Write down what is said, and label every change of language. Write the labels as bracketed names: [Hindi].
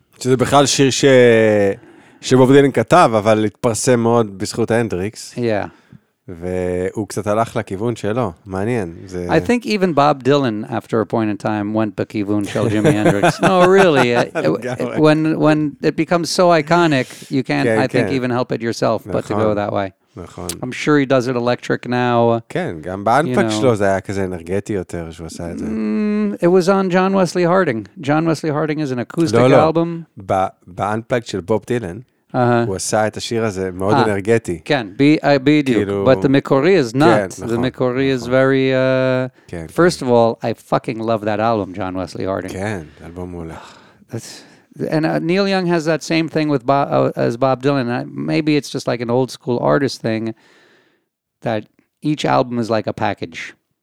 [Hebrew] שזה בכלל שיר שבוב דילן כתב, אבל התפרסם מאוד בזכות הנדריקס. [English] Yeah. [Hebrew] והוא קצת הלך לכיוון שלו. מעניין. [English] I think even Bob Dylan, after a point in time, went [Hebrew] בכיוון של ג'ימי הנדריקס. [English] No, really. when it becomes so iconic, you can't, I think, even help it yourself, but to go that way. [Hebrew] נכון. [English] I'm sure he does it electric now. [Hebrew] כן, גם באנפק שלו זה היה כזה אנרגטי יותר שהוא עשה את זה. [English] It was on John Wesley Harding. John Wesley Harding is an acoustic album. [Hebrew] באנפק של בוב דילן, הוא עשה את השיר הזה מאוד אנרגטי. כן, בדיוק. [English] But the מקורי is not. The מקורי is very... First of all, I fucking love that album, John Wesley Harding. [Hebrew] כן, אלבום מולך. [English] That's... And Neil Young has that same thing with as Bob Dylan. Maybe it's just like an old school artist thing that each album is like a package.